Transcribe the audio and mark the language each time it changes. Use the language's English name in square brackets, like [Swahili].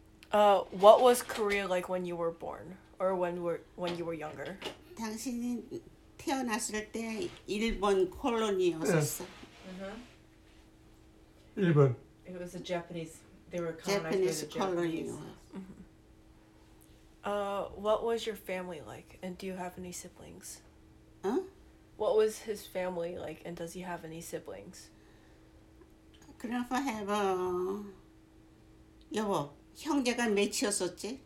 [English] What was Korea like when you were born, or when you were younger? [Korean] 당신이 태어났을 때 일본 콜로니였었어. Mm-hmm. 일본. [English] It was a Japanese. They were colonized Japanese by the colony. Japanese. Mm-hmm. What was your family like, and do you have any siblings? Huh? What was his family like, and does he have any siblings? Grandpa have a. [Korean] 여보, 형제가 몇이었었지?